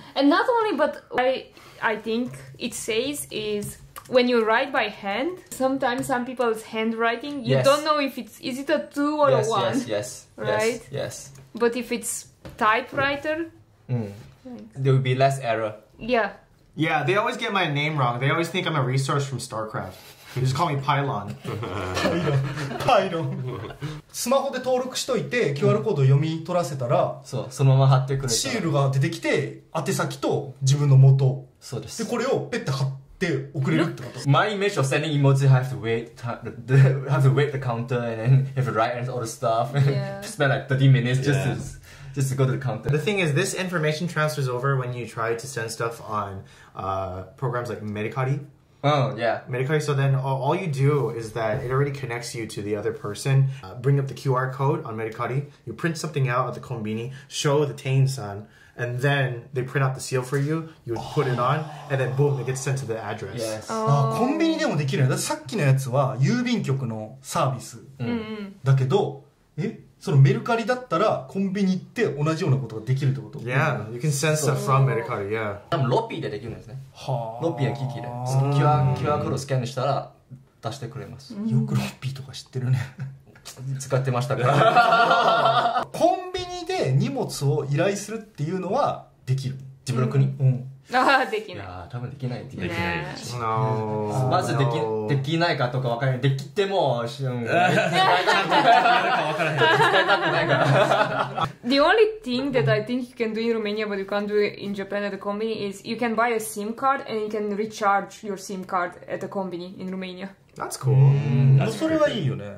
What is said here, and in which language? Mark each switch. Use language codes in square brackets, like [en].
[en] And not only, but I think it says is when you write by hand, sometimes some people's handwriting, you don't know if it's, is it a two or a one? Yes. Right? Yes. But if it's typewriter, there will be less error. Yeah. Yeah, they always get my name wrong. They always think I'm a resource from StarCraft. They just call me Pylon. Pylon. [ja] スマホで登録しといて、QR コードを読み取らせたら、そう、そのまま貼ってくれた。シールが出てきて、宛先と自分の元。そうです。で、これをペッて貼って送れるってこと。 [en] My image of sending emoji have to wait the counter and then have to write all the stuff. Yeah. Spend like 30 minutes just to just to go to the counter. The thing is, this information transfers over when you try to send stuff on programs like Medicari. Oh, yeah. Medicari, so then all you do is that it already connects you to the other person. Bring up the QR code on Medicari. You print something out at the konbini, show the tain-san, and then they print out the seal for you. You would put it on, and then boom, it gets sent to the address. Yes. [ja] Konbini demo dekiru yo. Sakki no yatsu wa yūbinkyoku no sabisu da kedo, その Medicari だったらコンビニ行って同じようなことができるってこと [en] Yeah, you can send stuff from Medicari, yeah. [ja] でもロッピーでできるんですね。はあ。ロッピーやキキで。キュアコードをスキャンしたら出してくれます。よくロッピーとか知ってるね。使ってましたから。コンビニで荷物を依頼するっていうのはできる。自分の国うん。ああ、できない。多分できないできないです。 [en] No. [ja] まずでき、no. できないかとか分からない。できても、しゅん。 [en] The only thing that I think you can do in Romania but you can't do in Japan at the konbini is you can buy a SIM card and you can recharge your SIM card at the konbini in Romania. That's cool. That's [ja] それはいいよね。